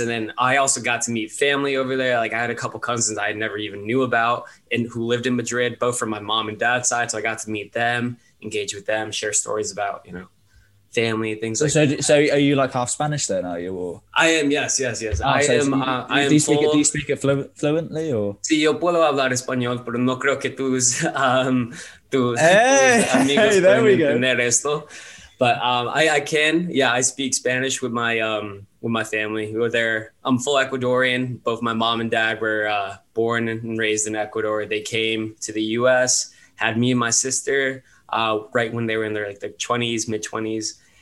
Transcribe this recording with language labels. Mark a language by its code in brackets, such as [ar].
[en] And then I also got to meet family over there. Like I had a couple cousins I never even knew about and who lived in Madrid, both from my mom and dad's side. So I got to meet them, engage with them, share stories about, you know, family, things like that. So are you like half Spanish then, are you? Or I am. Yes. Oh, I am. Do you speak it fluently or? [es] Sí, yo puedo hablar español, pero no creo que tus amigos pueden entender esto. [en] But I can. Yeah, I speak Spanish with my family who are there. I'm full Ecuadorian. Both my mom and dad were born and raised in Ecuador. They came to the US, had me and my sister right when they were in their 20s, mid 20s.